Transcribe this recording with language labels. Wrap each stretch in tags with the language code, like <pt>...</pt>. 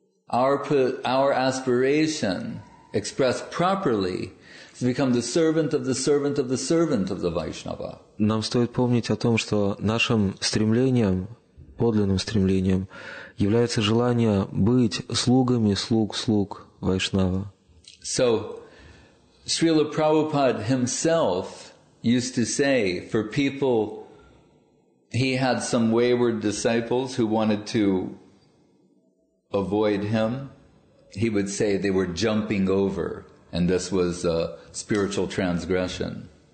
<en>Our aspiration, expressed properly, is to become the servant of the servant of the servant of the Vaishnava.</en> <ru>Нам стоит помнить о том, что нашим стремлением, подлинным стремлением, является желание быть слугами слуг Вайшнава.</ru> <en>So, Srila Prabhupada himself used to say for people. He had some wayward disciples who wanted to avoid him. He would say they were jumping over, and this was a spiritual transgression.</en>